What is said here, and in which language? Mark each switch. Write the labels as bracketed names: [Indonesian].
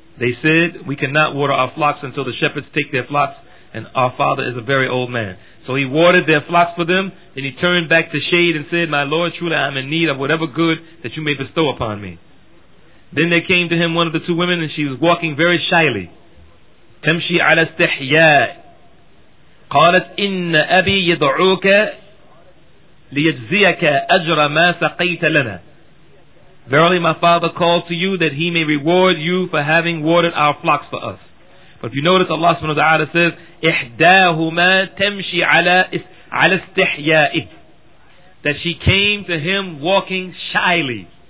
[English] They said, we cannot water our flocks until the shepherds take their flocks, and our father is a very old man. So he watered their flocks for them, and he turned back to shade and said, my Lord, truly I am in need of whatever good that you may bestow upon me. Then there came to him one of the two women, and she was walking very shyly. [Arabic] تمشي على استحياء قالت إن أبي يدعوك ليجزيك أجر ما سقيت لنا. [English] Verily my father calls to you that he may reward you for having watered our flocks for us. But if you notice, Allah subhanahu wa ta'ala says [Arabic] إحداهما تمشي على استحياء, [English] that she came to him walking shyly.